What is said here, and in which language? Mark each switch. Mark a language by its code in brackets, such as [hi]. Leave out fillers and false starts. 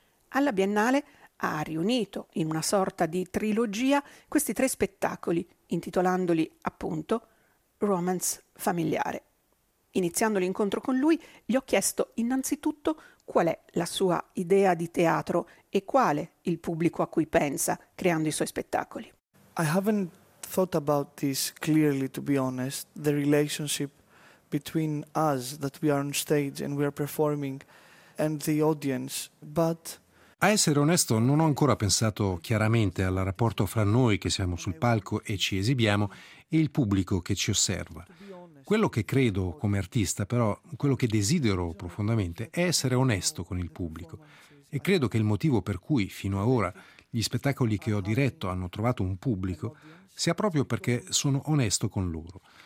[it] Alla Biennale ha riunito in una sorta di trilogia questi 3 spettacoli, intitolandoli appunto Romance familiare. Iniziando l'incontro con lui, gli ho chiesto innanzitutto qual è la sua idea di teatro e quale il pubblico a cui pensa creando i suoi spettacoli. [en] I haven't thought about this clearly, to be honest, the relationship between us, that we are on stage and we are performing, and the audience, but... [it] A essere onesto, non ho ancora pensato chiaramente al rapporto fra noi che siamo sul palco e ci esibiamo e il pubblico che ci osserva. Quello che credo come artista, però, quello che desidero profondamente è essere onesto con il pubblico. E credo che il motivo per cui, fino ad ora, gli spettacoli che ho diretto hanno trovato un pubblico sia proprio perché sono onesto con loro.